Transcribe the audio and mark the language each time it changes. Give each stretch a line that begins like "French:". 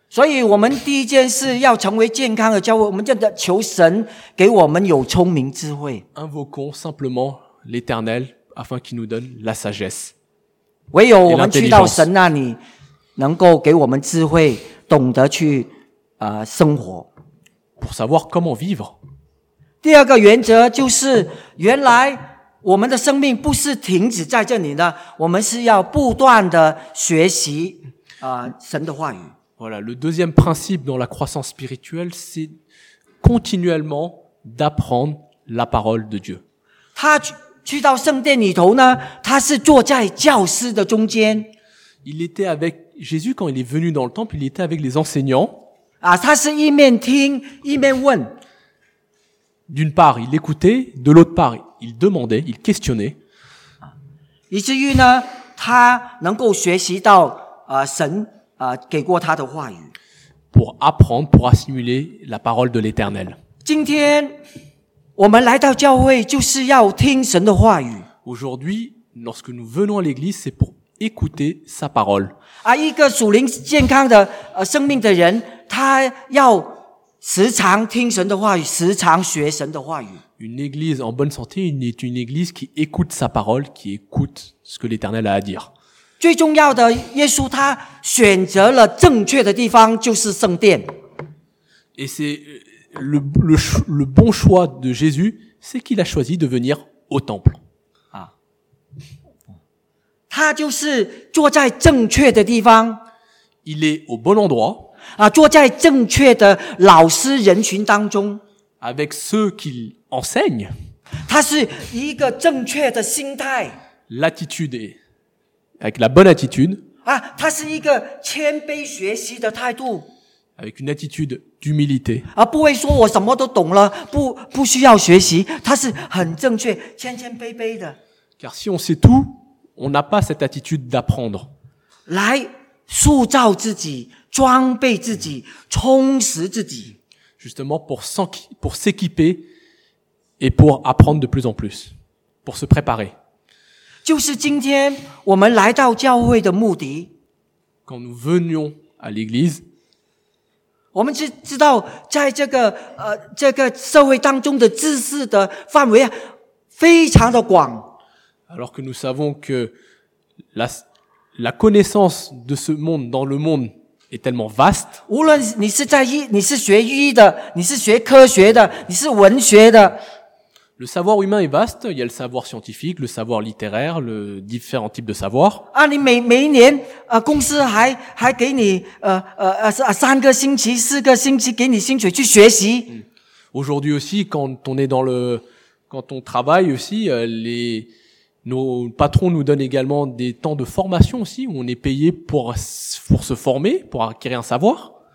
Chinese: 所以我们第一件事要成为健康的教会，我们真的求神给我们有聪明智慧。
French: Invoquons simplement l'Éternel afin qu'il nous donne la sagesse.
Chinese: 唯有我们去到神那里，能够给我们智慧，懂得去生活。
French: Pour savoir comment vivre.
Chinese: 第二个原则就是，原来我们的生命不是停止在这里的，我们是要不断的学习神的话语。
French: Voilà, le deuxième principe dans la croissance spirituelle, c'est continuellement d'apprendre la parole de Dieu.
Chinese: 他去到圣殿里头呢，他是坐在教师的中间。
French: Il était avec Jésus quand il est venu dans le temple, il était avec les enseignants.
Chinese: 啊，他是一面听一面问。
French: D'une part, il écoutait, de l'autre part, il demandait, il questionnait.
Chinese: 以至于呢，他能够学习到神给过他的话语。
French: Pour apprendre, pour assimiler la parole de l'Éternel.
Chinese: 今天我们来到教会就是要听神的话语。
French: Aujourd'hui, lorsque nous venons à l'église, c'est pour écouter sa parole.
Chinese: 啊，一个属灵健康的生命的人，他要时常听神的话语，时常学神的话语。
French: Une église en bonne santé est une église qui écoute sa parole, qui écoute ce que l'Éternel a à dire.
Chinese: 最重要的，耶稣他选择了正确的地方，就是圣殿。
French: Et c'est le bon choix de Jésus, c'est qu'il a choisi de venir au temple.
Chinese: 啊，他就是坐在正确的地方。
French: Il est au bon endroit.
Chinese: 啊，坐在正确的老师人群当中。
French: Avec ceux qu'il enseigne.
Chinese: 他是一个正确的心态。
French: L'attitude est avec la bonne attitude.
Chinese: 啊，他是一个谦卑学习的态度。
French: Avec une attitude d'humilité.
Chinese: 啊，不会说我什么都懂了，不需要学习，他是很正确，谦谦卑卑的。
French: Car si on sait tout, on n'a pas cette attitude d'apprendre.
Chinese: 来塑造自己，装备自己，充实自己。
French: Justement pour s'équiper et pour apprendre de plus en plus, pour se préparer.
Chinese: 就是今天我们来到教会的目的。
French: Quand nous venions à l'église,
Chinese: 我们知道在这个社会当中的知识的范围非常的广。
French: Alors que nous savons que la connaissance de ce monde dans le monde est tellement vaste.
Chinese: 无论你是学医的，你是学科学的，你是文学的。
French: Le savoir humain est vaste. Il y a le savoir scientifique, le savoir littéraire, le différents types de savoir.
Chinese: 啊，你每一年，公司还给你三个星期、四个星期给你薪水去学习。
French: Aujourd'hui aussi, quand on travaille aussi, nos patrons nous donnent également des temps de formation aussi où on est payé pour se former, pour acquérir un savoir.